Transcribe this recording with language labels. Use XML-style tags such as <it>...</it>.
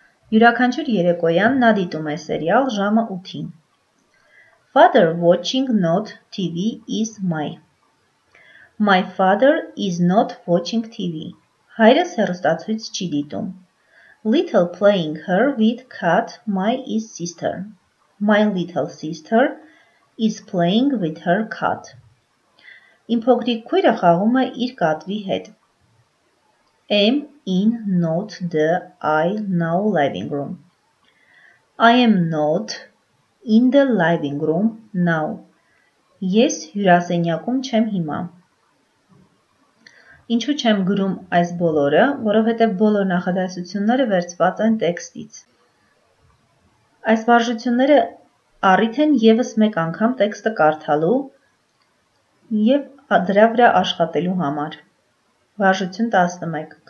<hy>Յուրաքանչյուր երեկոյան նա դիտում է սերիալ ժամը 8-ին.</hy> <en>Father watching not TV is my. My father is not watching TV.</en> <hy>Հայրս հեռուստացույց չի դիտում.</hy> <en>Little playing her with cat, my is sister. My little sister is playing with her cat.</en> <hy>Իմ փոքրիկ քույրը խաղում է իր կատվի հետ.</hy> <en>Am in not the I now living room. I am not in the living room now.</en> <hy>Ես հյուրասենյակում չեմ հիմա. Ինչու չեմ գրում այս բոլորը, որովհետև բոլոր նախադասությունները վերծված են տեքստից։ Այս վարժությունները առիթ են ևս մեկ անգամ տեքստը կարդալու և դրա վրա աշխատելու համար։ Վարժություն 11.</hy>